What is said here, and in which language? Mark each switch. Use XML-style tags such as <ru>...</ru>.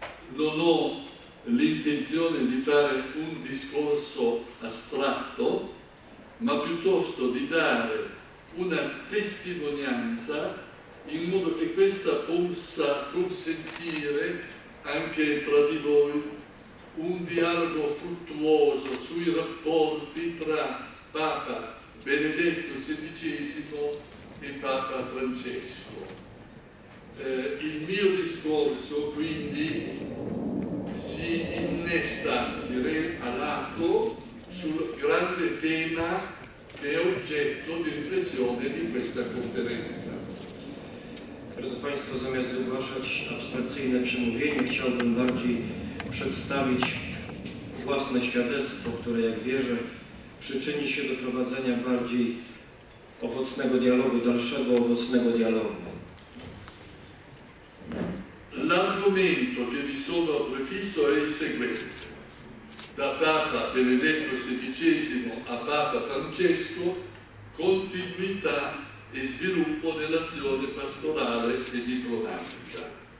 <it>Non ho l'intenzione di fare un discorso astratto, ma piuttosto di dare una testimonianza in modo che questa possa consentire anche tra di voi un dialogo fruttuoso sui rapporti tra Papa Benedetto XVI e Papa Francesco. Il mio discorso quindi si innesta, direi, a lato sul grande tema che è oggetto di riflessione di questa conferenza.</it> <pl>Drodzy Państwo, zamiast wygłaszać abstrakcyjne przemówienie, chciałbym bardziej przedstawić własne świadectwo, które, jak wierzę, przyczyni się do prowadzenia bardziej owocnego dialogu, dalszego owocnego dialogu.</pl> <it>L'argomento che mi sono prefisso è il seguente. Da Papa Benedetto XVI a Papa Francesco, continuità e sviluppo dell'azione pastorale e diplomatica.</it>